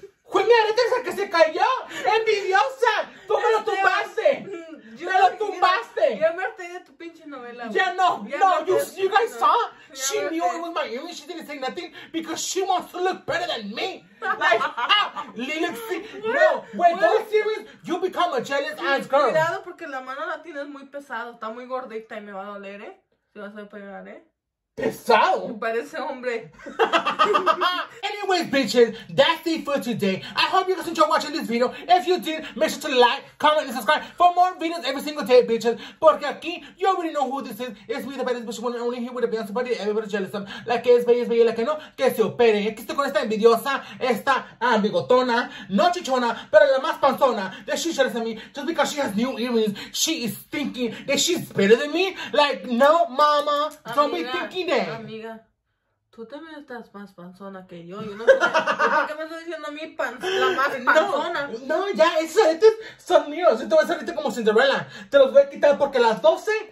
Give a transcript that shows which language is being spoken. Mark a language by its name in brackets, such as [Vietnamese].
[Spanish] ¡fue mi arete esa que se cayó! ¡Envidiosa! ¡Tú me lo tumbaste! ¡Me lo tumbaste! Ya me harté de tu pinche novela. Ya no, no, [English] you guys saw. She knew it was my earring. She didn't say nothing because she wants to look better than me. Like, ah, no, when those series, you become a jealous ass girl. [Spanish] Cuidado porque la mano la tienes muy pesada. Está muy gordita y me va a doler, ¿eh? Te vas a pegar, ¿eh? [English] Anyways, bitches, that's it for today. I hope you guys enjoyed watching this video. If you did, make sure to like, comment, and subscribe for more videos every single day, bitches. [Spanish] Porque aquí, [English] you already know who this is. It's me, the baddest bitch, one and only here with the Beyonce party. Everybody's jealous of [Spanish] la que es bella, la que no, que se opere. Aquí estoy con esta envidiosa, esta ambigotona, no chichona, pero la más panzona. [English] That she's jealous of me just because she has new earrings. She is thinking that she's better than me. Like, no, mama, don't be thinking. [Spanish] Amiga, tú también estás más panzona que yo. Yo no sé por qué me estás diciendo a mí la más panzona. No, no, ya, esos aretes son míos. Yo te voy a hacer ahorita como Cinderella. Te los voy a quitar porque a las 12